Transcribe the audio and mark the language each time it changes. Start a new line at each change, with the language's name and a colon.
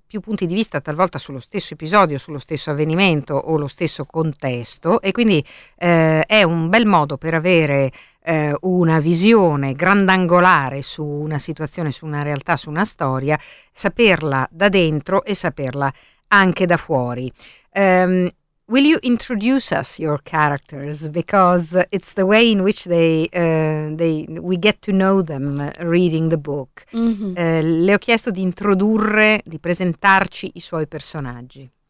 Italian: più punti di vista, talvolta sullo stesso episodio, sullo stesso avvenimento o lo stesso contesto, e quindi è un bel modo per avere una visione grandangolare su una situazione, su una realtà, su una storia, saperla da dentro e saperla anche da fuori.
English: Will you introduce us your characters, because it's the way in which we get to know them reading the book. Mm-hmm.
Italian: Le ho chiesto di introdurre, di presentarci i suoi personaggi.